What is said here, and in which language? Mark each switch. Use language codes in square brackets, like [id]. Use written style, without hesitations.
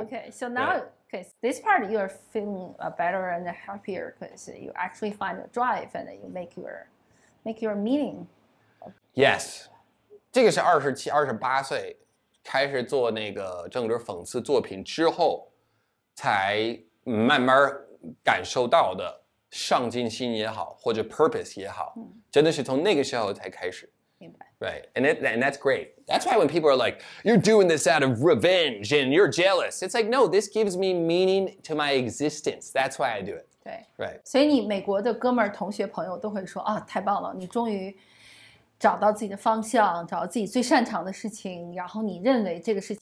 [en] Okay, so now, because this part, you are feeling better and happier because you actually find a drive and you make your meaning. [zh] Yes. 这个是28岁。开始做那个政治讽刺作品之后才慢慢感受到的上进心也好或者 purpose 也好、嗯、真的是从那个时候才开始明白 [en] right and that's great that's why when people are like you're doing this out of revenge and you're jealous it's like no this gives me meaning to my existence that's why I do it [zh] 对 [en] right [zh] 所以你美国的哥们儿同学朋友都会说啊太棒了你终于找到自己的方向，找到自己最擅长的事情，然后你认为这个事情，